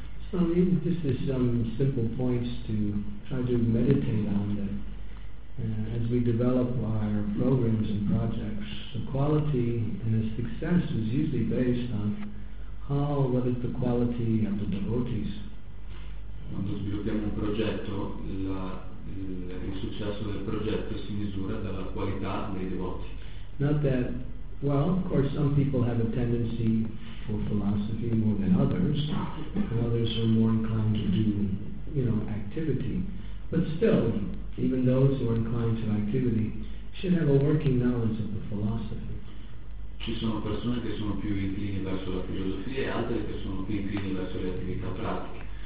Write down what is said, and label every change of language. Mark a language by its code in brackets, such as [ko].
[en] So maybe just some simple points to try to meditate on that as we develop our programs and projects. The quality and the success is usually based on how, what is the quality of the devotees. [it] Quando sviluppiamo un progetto, il successo del progetto si misura dalla qualità dei devoti. [en] Not that, well, of course, some people have a tendency for philosophy more than others, and others are more inclined to do, you know, activity. But still, even those who are inclined to activity should have a working knowledge of the philosophy. [it] Ci sono persone che sono più incline verso la filosofia e altre che sono più incline verso le attività pratiche.